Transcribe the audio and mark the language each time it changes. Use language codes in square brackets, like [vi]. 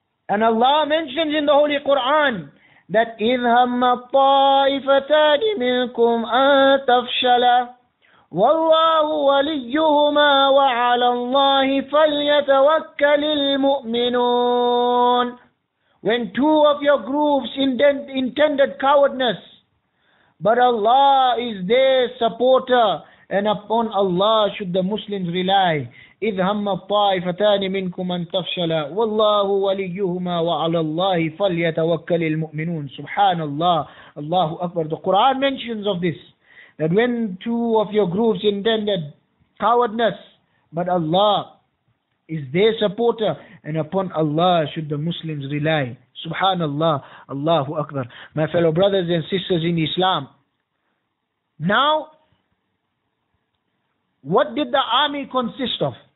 [en] And Allah mentions in the Holy Quran that [ar] إِذْهَمَّ الطَّائِفَتَانِ مِنْكُمْ أَن تَفْشَلَ وَاللَّهُ وَلِيُّهُمَا وَعَلَى اللَّهِ فَلْيَتَوَكَّلِ الْمُؤْمِنُونَ. [en] When two of your groups intended cowardness, but Allah is their supporter, and upon Allah should the Muslims rely, [ar] إذ هم الطائفتان منكم أن تفشل والله وليهما وعلى الله فليتوكل المؤمنون. سبحان الله, الله أكبر. [en] The Quran mentions of this, that when two of your groups intended cowardness, but Allah is their supporter, and upon Allah should the Muslims rely. Subhanallah, Allahu Akbar. My fellow brothers and sisters in Islam, now, what did the army consist of?